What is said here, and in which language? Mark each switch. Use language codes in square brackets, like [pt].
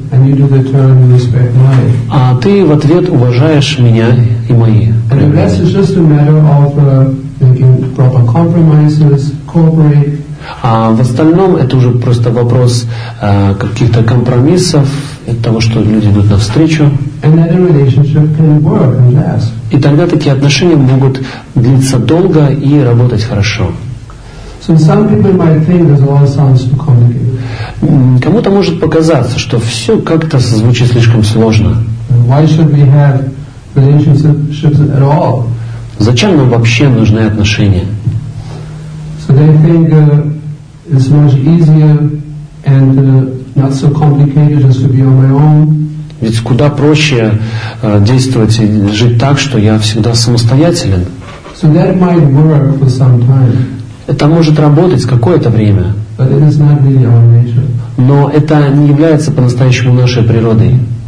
[en] and you do the term you respect mine. [ru] А ты в ответ уважаешь меня и мои. [en] And the rest is just a matter of making proper compromises, cooperate. [ru] А в остальном это уже просто вопрос каких-то компромиссов, того, что люди идут навстречу. [en] And that a relationship can work and last. [ru] И тогда такие отношения могут длиться долго и работать хорошо. [en] So some people might think that all sounds too complicated. [ru] Кому-то может показаться, что все как-то звучит слишком сложно. [en] Why should we have relationships at all? [ru] Зачем нам вообще нужны отношения? [en] So they think it's much easier and not so complicated just to be on my own. [ru] Ведь куда проще действовать и жить так, что я всегда самостоятелен. [en] So that might work for some time. [ru] Это может работать какое-то время, но это не является по-настоящему нашей природой.